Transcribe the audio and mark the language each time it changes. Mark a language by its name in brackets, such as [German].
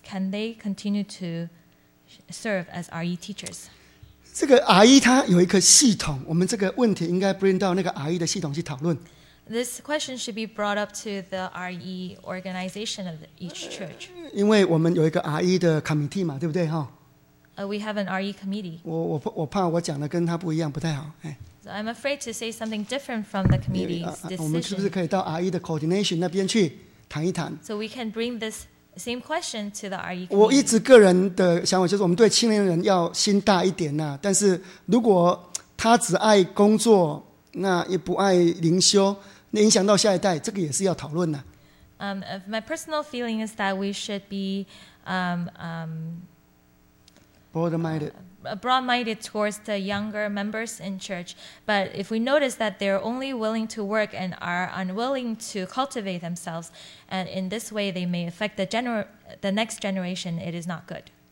[English] Can they continue to serve as RE teachers? [Chinese] 这个 RE 它有一个系统，我们这个问题应该 bring 到那个 RE 的系统去讨论。 [English] This question should be brought up to the RE organization of each church. [Chinese] 因为我们有一个 RE 的 committee 嘛，对不对哈？ [English] We have an RE committee. [Chinese] 我怕我讲的跟他不一样，不太好。 [English] So I'm afraid to say something different from the committee's decision. [Chinese] 我们是不是可以到 RE 的 coordination 那边去谈一谈 [English] ？So we can bring this. Same question to the RE. [Chinese] 我一直个人的想法就是，我们对青年人要心大一点呐。但是如果他只爱工作，那也不爱灵修，那影响到下一代，这个也是要讨论的。 [English] My personal feeling is that we should be broad-minded. Broad-minded towards the younger members in church. But if we notice that they're only willing to work and are unwilling to cultivate themselves, and in this way they may affect the next generation, it is not good.